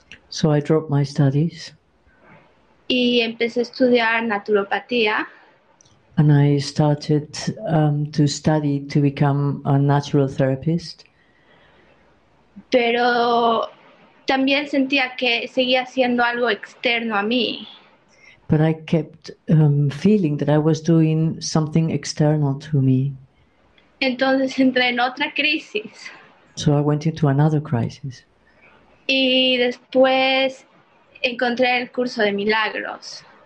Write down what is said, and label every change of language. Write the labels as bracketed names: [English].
[English] So I dropped my studies. [Spanish] Y empecé a estudiar naturopatía. [English] And I started to study to become a natural therapist. [Spanish] Pero también sentía que seguía siendo algo externo a mí. [English] But I kept feeling that I was doing something external to me. [Spanish] Entonces entré en otra crisis. [English] So I went into another crisis. [Spanish] Y después encontré el curso de milagros.